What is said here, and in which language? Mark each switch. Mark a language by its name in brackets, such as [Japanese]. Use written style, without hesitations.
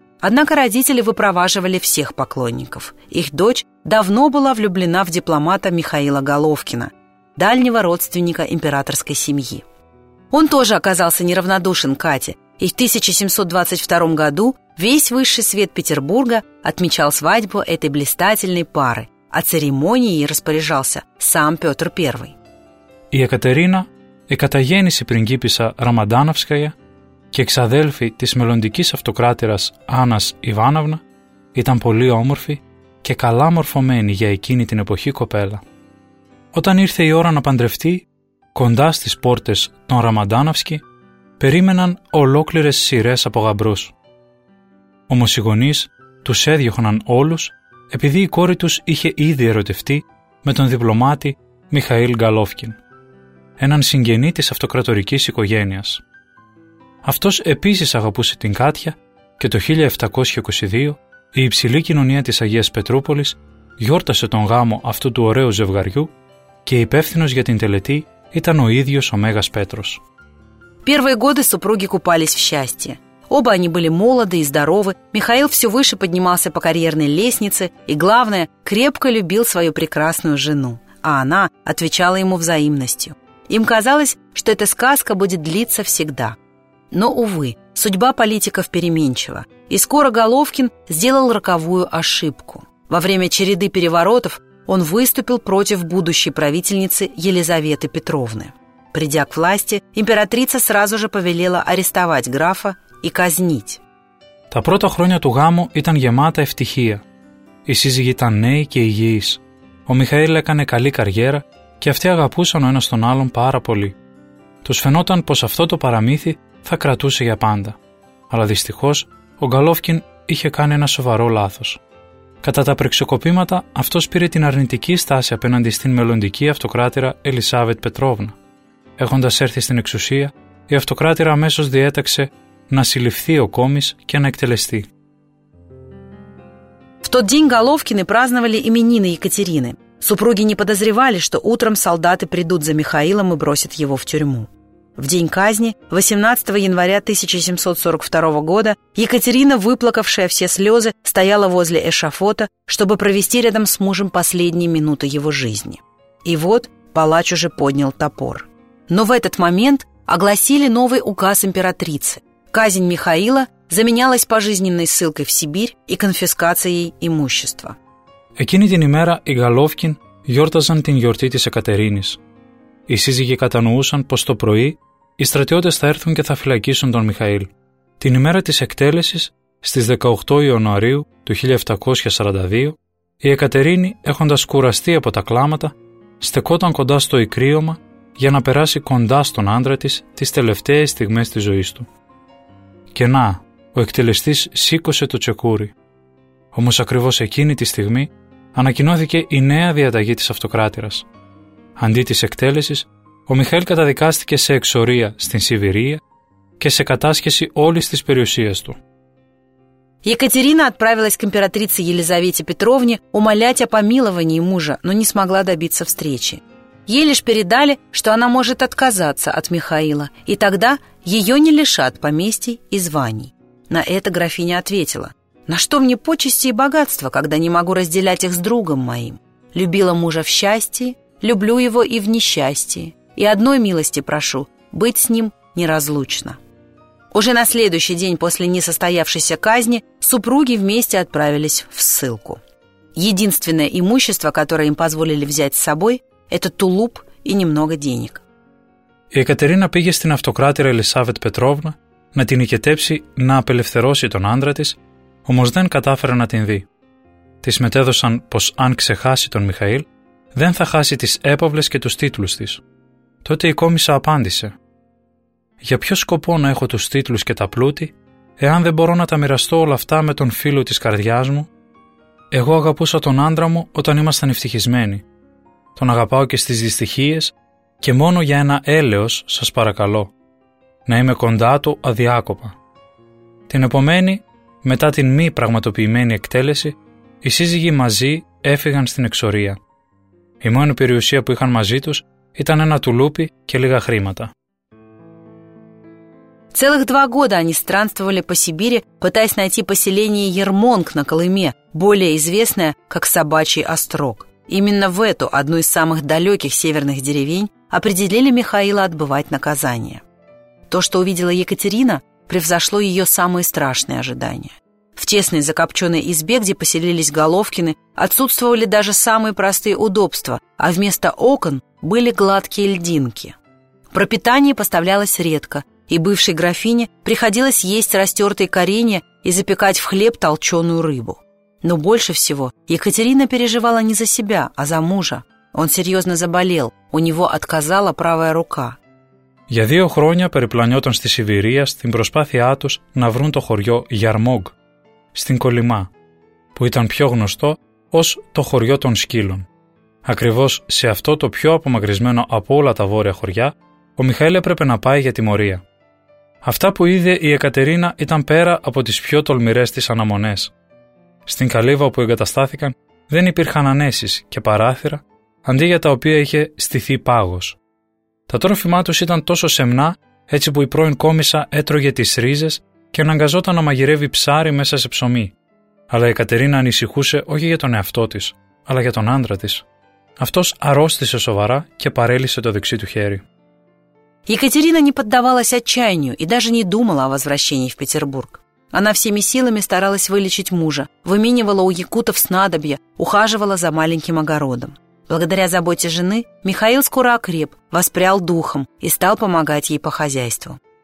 [Russian] Однако родители выпроваживали всех поклонников. Их дочь давно была влюблена в дипломата Михаила Головкина, дальнего родственника императорской семьи. Он тоже оказался неравнодушен Кате, и в 1722 году весь высший свет Петербурга отмечал свадьбу этой блистательной пары, а церемонией распоряжался сам Петр I. [Greek] Η Екатерина, η καταγέννηση πριγκίπισσα Ραμαντάνοφσκαια και εξαδέλφη της μελλοντικής αυτοκράτηρας Άννας Ιβάνοβνα, ήταν πολύ όμορφη και καλά μορφωμένη για εκείνη την εποχή κοπέλα. Όταν ήρθε η ώρα να παντρευτεί, κοντά στις πόρτες των Ραμαντάνοφσκι περίμεναν ολόκληρες σειρές από γαμπρούς. Όμως οι γονείς τους έδιωχναν όλους επειδή η κόρη τους είχε ήδη ερωτευτεί με τον διπλωμάτη Μιχαήλ Γκαλόφκιν, έναν συγγενή της αυτοκρατορικής οικογένειας. Αυτός επίσης αγαπούσε την Κάτια και το 1722 η υψηλή κοινωνία της Αγίας Πετρούπολης γιόρτασε τον γάμο αυτού του ωραίου ζευγαριού και υπεύθυνος για την τελετή ήταν ο ίδιος ο Μέγας Πέτρος. [Russian] Первые годы супруги купались в счастье. Оба они были молоды и здоровы, Михаил все выше поднимался по карьерной лестнице и, главное, крепко любил свою прекрасную жену, а она отвечала ему взаимностью. Им казалось, что эта сказка будет длиться всегда. Но, увы, судьба политиков переменчива, и скоро Головкин сделал роковую ошибку. Во время череды переворотов он выступил против будущей правительницы Елизаветы Петровны. Придя к власти, императрица сразу же повелела арестовать графа и казнить. [Greek] Τα πρώτα χρόνια του γάμου ήταν γεμάτα ευτυχία. Οι σύζυγοι ήταν νέοι και υγιείς. Ο Μιχαήλ έκανε καλή καριέρα και αυτοί αγαπούσαν ο ένας τον άλλον πάρα πολύ. Τους φαινόταν πως αυτό το παραμύθι θα κρατούσε για πάντα. Αλλά δυστυχώς, ο Γκαλόφκιν είχε κάνει ένα σοβαρό λάθος. Κατά τα πρεξοκοπήματα, αυτός πήρε την αρνητική στάση απέναντι στην μελλοντική αυτοκράτηρα Ελισάβετ Πετρόβνα. Έχοντας έρθει στην εξουσία, η αυτοκράτηρα αμέσως διέταξε να συλληφθεί ο κόμις και να εκτελεστεί. [Russian] В тот день Головкины праздновали именины Екатерины. Супруги не подозревали, что утром солдаты придут за Михаилом и бросят его в тюрьму. В день казни, 18 января 1742 года, Екатерина, выплакавшая все слезы, стояла возле эшафота, чтобы провести рядом с мужем последние минуты его жизни. И вот палач уже поднял топор. Но в этот момент огласили новый указ императрицы. Казнь Михаила заменялась пожизненной ссылкой в Сибирь и конфискацией имущества. [Greek] Εκείνη την ημέρα οι Γαλόφκιν γιόρταζαν την γιορτή της Εκατερίνης. Οι σύζυγοι κατανοούσαν πως το πρωί οι στρατιώτες θα έρθουν και θα φυλακίσουν τον Μιχαήλ. Την ημέρα της εκτέλεσης, στις 18 Ιανουαρίου του 1742, η Εκατερίνη, έχοντας κουραστεί από τα κλάματα, στεκόταν κοντά στο ικρίωμα για να περάσει κοντά στον άντρα της τις τελευταίες στιγμές της ζωής του. Και να, ο εκτελεστής σήκωσε το τσεκούρι. Όμως ακριβώς εκείνη τη στιγμή ανακοινώθηκε η νέα διαταγή της αυτοκράτηρας. Αντί της εκτέλεσης, ο Μιχαήλ καταδικάστηκε σε εξορία στην Σιβηρία και σε κατάσχεση όλης της περιουσίας του. [Russian] Екатерина отправилась к императрице Елизавете Петровне умолять о помиловании мужа, но не смогла добиться встречи. Ей лишь передали, что она может отказаться от Михаила, и тогда ее не лишат поместий и званий. На это графиня ответила: «На что мне почести и богатство, когда не могу разделять их с другом моим? Любила мужа в счастье, люблю его и в несчастье, и одной милости прошу – быть с ним неразлучно». Уже на следующий день после несостоявшейся казни супруги вместе отправились в ссылку. Единственное имущество, которое им позволили взять с собой, это тулуп и немного денег. [Greek] Екатерина пήγε στην αυτοκράτηρα Ελισάβετ Πετρόβνα να την οικετέψει, να απελευθερώσει τον άντρα της, όμως δεν κατάφερε να την δει. Της μετέδωσαν πως αν ξεχάσει τον Μιχαήλ, δεν θα χάσει τις έπαυλες και τους τίτλους της. Τότε η κόμισσα απάντησε: «Για ποιο σκοπό να έχω τους τίτλους και τα πλούτη, εάν δεν μπορώ να τα μοιραστώ όλα αυτά με τον φίλο της καρδιάς μου? Εγώ αγαπούσα τον άντρα μου όταν ήμασταν ευτυχισμένοι. Τον αγαπάω και στις δυστυχίες και μόνο για ένα έλεος σας παρακαλώ, να είμαι κοντά του αδιάκοπα». Την επομένη, μετά την μη πραγματοποιημένη εκτέλεση, οι σύζυγοι μαζί έφυγαν στην εξορία. Η μόνη περιουσία που είχαν μαζί τους ήταν ένα τουλούπι και λίγα χρήματα. [Russian] Целых два года они странствовали по Сибири, пытаясь найти поселение Ермонг на Колыме, более известное как Собачий Острог. Именно в эту, одну из самых далеких северных деревень, определили Михаила отбывать наказание. То, что увидела Екатерина, превзошло ее самые страшные ожидания. В тесной закопченной избе, где поселились Головкины, отсутствовали даже самые простые удобства, а вместо окон были гладкие льдинки. Пропитание поставлялось редко, и бывшей графине приходилось есть растертые коренья и запекать в хлеб толченую рыбу. Но больше всего Екатерина переживала не за себя, а за мужа. Он серьезно заболел, у него отказала правая рука. [Greek] Για 2 χρόνια περιπλανιόταν στη Σιβηρία στην προσπάθειά τους να βρουν το χωριό Γιαρμόγ, στην Κολυμά, που ήταν πιο γνωστό ως το χωριό των σκύλων. Ακριβώς σε αυτό το πιο απομακρυσμένο από όλα τα βόρεια χωριά, ο Μιχαήλ έπρεπε να πάει για τιμωρία. Αυτά που είδε η Εκατερίνα ήταν πέρα από τις πιο τολμηρές της αναμονές. Στην καλύβα όπου εγκαταστάθηκαν δεν υπήρχαν ανέσεις και παράθυρα, αντί για τα οποία είχε στηθεί πάγος. Τα τρόφιμά τους ήταν τόσο σεμνά, έτσι που η πρώην κόμισσα έτρωγε τις ρίζες και αναγκαζόταν να μαγειρεύει ψάρι μέσα σε ψωμί. Αλλά η Εκατερίνα ανησυχούσε όχι για τον εαυτό της, αλλά για τον άντρα της. Αυτός αρρώστησε σοβαρά και παρέλυσε το δεξί του χέρι. [Russian] Екатерина не поддавалась отчаянию и даже не думала о возвращении в Петербург. Она всеми силами старалась вылечить мужа, выменивала у якутов снадобья, ухаживала за маленьким огородом. Благодаря заботе жены Михаил скоро окреп, воспрял духом и стал помогать ей по хозяйству.